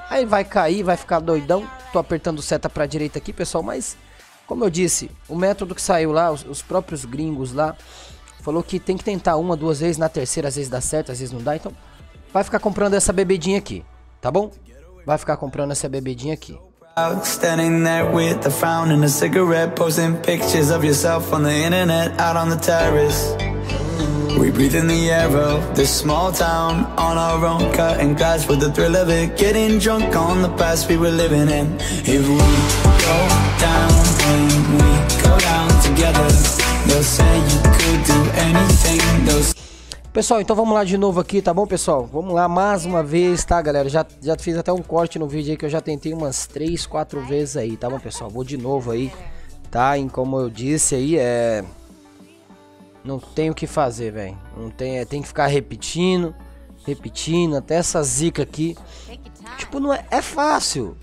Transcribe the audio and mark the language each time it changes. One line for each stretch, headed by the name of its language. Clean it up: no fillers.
Portuguese: Aí vai cair, vai ficar doidão. Tô apertando seta pra direita aqui, pessoal, mas, como eu disse, o método que saiu lá, os próprios gringos lá, falou que tem que tentar uma, duas vezes, na terceira, às vezes dá certo, às vezes não dá, então vai ficar comprando essa bebedinha aqui, tá bom? Vai ficar comprando essa bebedinha aqui.
English: Standing there with a frown and a cigarette, posting pictures of yourself on the internet, out on the terrace. We breathe in the air of this small town, on our own, cutting glass with the thrill of it, getting drunk on the past we were living in. If we go down, when we go down together, they'll say you could do anything.
Portuguese: Pessoal, então vamos lá de novo aqui, tá bom, pessoal? Vamos lá mais uma vez, tá, galera? Já fiz até um corte no vídeo aí que eu já tentei umas 3, 4 vezes aí, tá bom, pessoal? Vou de novo aí, tá? E como eu disse aí, é... Não tem o que fazer, velho. Não tem, tem que ficar repetindo, até essa zica aqui. Tipo, não é... É fácil.